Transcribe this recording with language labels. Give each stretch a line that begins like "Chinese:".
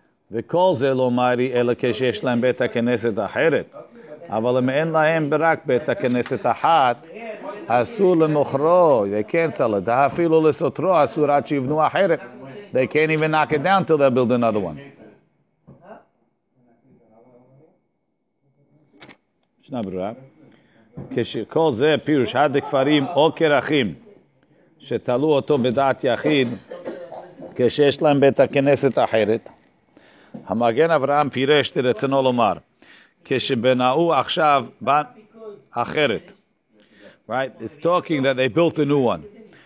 Hebrew: וכל זה לא מרי אלא כשיש להם בית הכנסת אחרת. אבל אם אין להם רק בית הכנסת אחת, אסור למוכרו.
English: They can't sell it.
Hebrew: אפילו לסותרו אסור עד שיבנו אחרת.
English: They can't even knock it down till they build another one.
Hebrew: ישנה ברירה. כשכל זה פירוש עד הכפרים או קרחים שתלו אותו בדעת יחיד, כשיש להם בית הכנסת אחרת, המגן אברהם פירש לרצונו לומר, כשבנאו עכשיו בן אחרת, right?
English: It's talking that they built a new one.